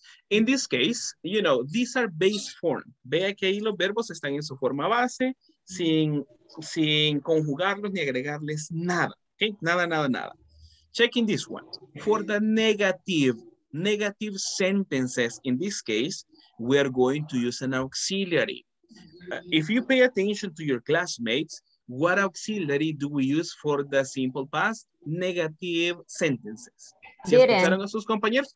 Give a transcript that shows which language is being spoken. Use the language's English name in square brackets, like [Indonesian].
[English] In this case, you know, these are base form. [Spanish] Vea que ahí los verbos están en su forma base, sin conjugarlos ni agregarles nada. [English] Okay? Nada. Checking this one. For the negative sentences, in this case, we are going to use an auxiliary. If you pay attention to your classmates, what auxiliary do we use for the simple past? Negative sentences. [Spanish] ¿Se escucharon a sus compañeros?